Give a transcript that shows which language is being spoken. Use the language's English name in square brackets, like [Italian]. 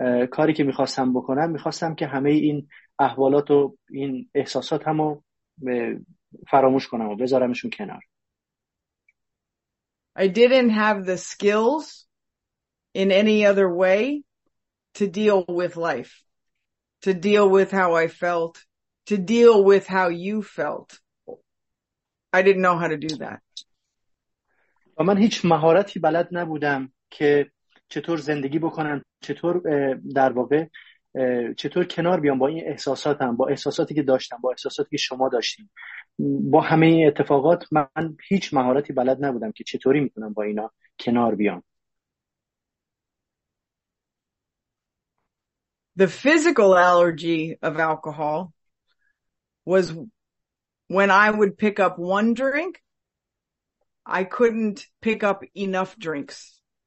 [Persian] کاری که میخواستم بکنم، میخواستم که همه این احوالات و این احساسات هم رو فراموش کنم و بذارمشون کنار. [English] I didn't have the skills in any other way to deal with life, to deal with how I felt, to deal with how you felt. I didn't know how to do that. [Persian] و من هیچ مهارتی بلد نبودم که چطور زندگی بکنم، چطور در واقع چطور کنار بیام با این احساساتم، با احساساتی که داشتم، با احساساتی که شما داشتیم، با همه این اتفاقات من هیچ مهارتی بلد نبودم که چطوری میتونم با اینا کنار بیام. [English] The physical allergy of alcohol was when I would pick up one drink, I couldn't pick up enough drinks.